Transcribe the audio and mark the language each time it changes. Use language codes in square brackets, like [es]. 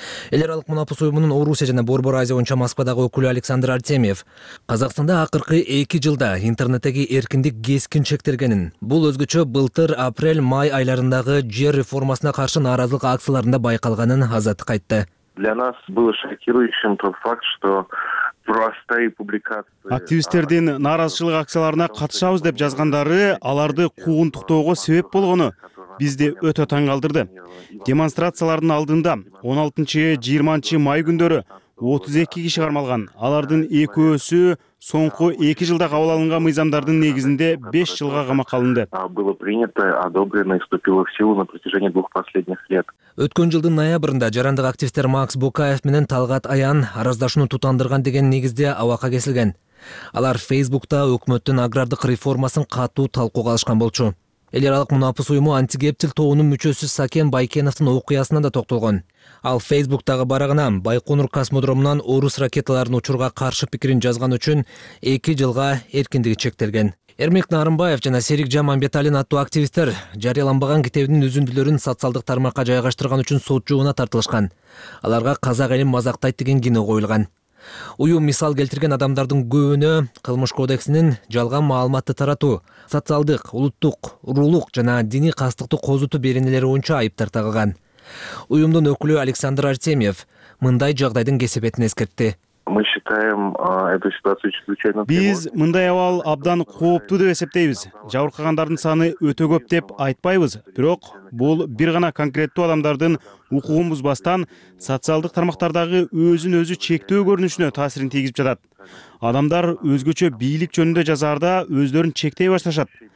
[ky] Эл аралык мунапыс уюмунун Орусия жана Борборазия боюнча Москвадагы өкүлү Александр Артемьев Казакстанда акыркы 2 жылда интернеттеги эркиндик кескин чектелгенин, бул өзгөчө былтыр апрель-май айларындагы жер реформасына каршы нааразылык акцияларында байкалганын Азаттык айтты. [ru] Для нас было шокирующим тот факт, что простые публикации [ky] активисттердин нааразычылык акцияларына катышабыз деп жазгандары аларды куугунтуктоого себеп болгону бизди өтө таң калтырды. Демонстрациялардын алдында 16-20 май күндөрү 32 киши кармалган. Алардын экөөсү соңку 2 жылда кабыл алынган мыйзамдардын негизинде 5 жылга камакка алынды. [ru] Было принято, одобрено и вступило в силу на протяжении двух последних лет. [ky] Өткөн жылдын ноябрында жарандык активисттер Макс Букаев менен Талгат Аян араздашууну тутандырган деген негизде абакка кесилген. Алар Facebook'та өкмөттүн агрардык реформасын катуу талкууга алышкан болчу. Эл аралык мунапыс уюму антигептил тобунун мүчөсү Сакен Байкеновдун окуясына да токтолгон. Ал Facebook'тагы барагына Байконур космодромунан орус ракеталарын учурууга каршы пикирин жазган үчүн 2 жылга эркиндиги чектелген. Эрмек Нарымбаев жана Серик Жаманбеталин аттуу активисттер жарыяланбаган китебинин үзүндүлөрүн социалдык тармакка жайгаштырган үчүн сот жообуна тартылышкан. Аларга казак элин мазактайт деген кине коюлган. Уюм мисал келтирген адамдардын көбүнө кылмыш кодексинин жалган маалыматты таратуу, социалдык, улуттук, урулук жана диний кастыкты козутуу беренелери боюнча айыптар тагылган. Уюмдун өкүлү Александр Артемьев мындай жагдайдын кесепетин эскертти. [ru] Мы считаем эту ситуацию чрезвычайно. [ky] Биз мындай абал абдан кооптуу деп эсептейбиз. Жабыркагандардын саны өтө көп деп айтпайбыз, бирок бул бир гана конкреттүү адамдардын укугун бузбастан социалдык тармактардагы өзүн өзү чектөө көрүнүшүнө таасирин тийгизип жатат. Адамдар өзгөчө бийлик жөнүндө жазарда өздөрүн чектей башташат.